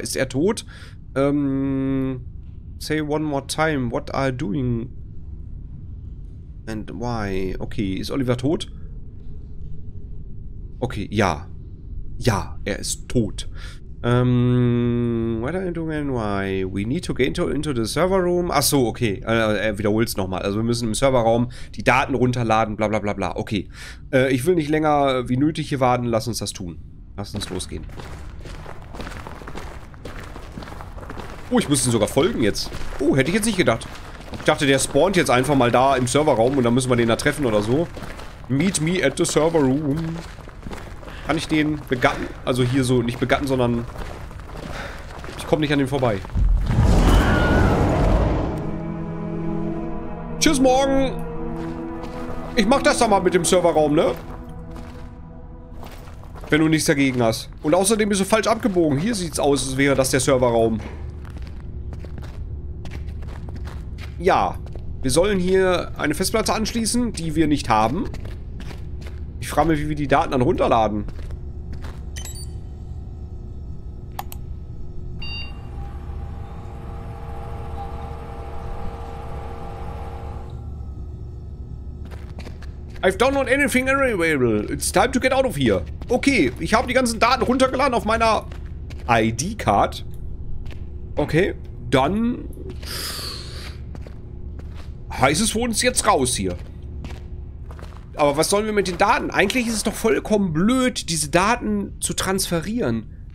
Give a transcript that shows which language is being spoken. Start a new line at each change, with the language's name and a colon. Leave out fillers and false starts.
German: Ist er tot?
English: Say one more time. What are you doing? And why?
German: Okay, ist Oliver tot? Okay, ja. Ja, er ist tot. Weiter in Domain Y.
English: We need to gain into the server room.
German: Achso, okay. Er wiederholt es nochmal. Also wir müssen im Serverraum die Daten runterladen, bla bla bla bla. Okay. Ich will nicht länger wie nötig hier warten. Lass uns das tun. Lass uns losgehen. Oh, ich muss ihn sogar folgen jetzt. Oh, hätte ich jetzt nicht gedacht. Ich dachte, der spawnt jetzt einfach mal da im Serverraum und dann müssen wir den da treffen oder so.
English: Meet me at the server room.
German: Kann ich den begatten? Also hier so, nicht begatten, sondern ich komme nicht an den vorbei. Tschüss, morgen. Ich mach das dann mal mit dem Serverraum, ne? Wenn du nichts dagegen hast. Und außerdem bist du falsch abgebogen. Hier sieht's aus, als wäre das der Serverraum. Ja, wir sollen hier eine Festplatte anschließen, die wir nicht haben. Ich frage mich, wie wir die Daten dann runterladen.
English: I've downloaded anything available. It's time to get out of here.
German: Okay, ich habe die ganzen Daten runtergeladen auf meiner ID-Card. Okay, dann heißt es für uns jetzt raus hier. Aber was sollen wir mit den Daten? Eigentlich ist es doch vollkommen blöd, diese Daten zu transferieren.